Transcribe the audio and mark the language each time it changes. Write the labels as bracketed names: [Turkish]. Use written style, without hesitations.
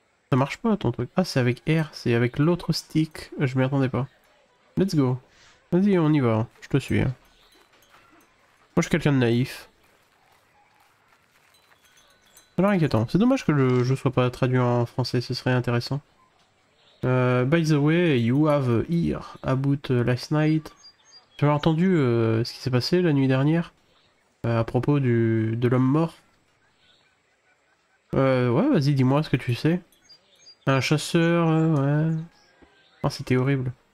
[French] Ça marche pas ton truc. Ah, c'est avec R, c'est avec l'autre stick. Je m'y attendais pas. [English] Let's go. [French] Vas-y, on y va. Je te suis. Moi, je suis quelqu'un de naïf. Alors, inquiétant. C'est dommage que le jeu soit pas traduit en français. Ce serait intéressant. [English] By the way, you have here about last night. [French] Tu as entendu ce qui s'est passé la nuit dernière à propos de l'homme mort. Ouais, vas-y, dis-moi ce que tu sais. Un chasseur, ouais. Oh, c'était horrible.